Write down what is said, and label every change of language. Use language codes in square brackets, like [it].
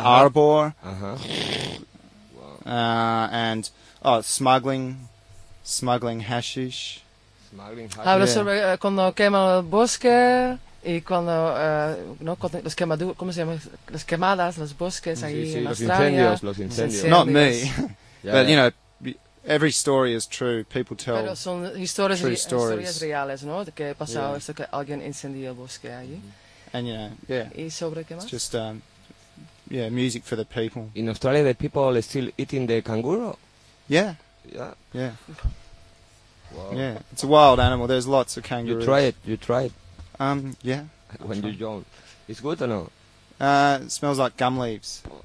[en] Arbor, and smuggling hashish. [es] Habla sobre cuando quema el bosque y cuando no los quemadu, ¿cómo se llama? Las quemadas, los bosques ahí en Australia. Los incendios. [en] Not me, but you know, every story is true. People tell. [es] Pero son historias, [en] true stories. [es] Historias reales, ¿no? De que pasó esto que alguien incendió el bosque allí. [en] And you know, yeah. [es] ¿Y sobre qué más? [en] Just music for the people. In Australia, the people are still eating the kangaroo. Yeah. Wow. Yeah, it's a wild animal. There's lots of kangaroos. You try it. Yeah. When you don't. It's good or no? It smells like gum leaves.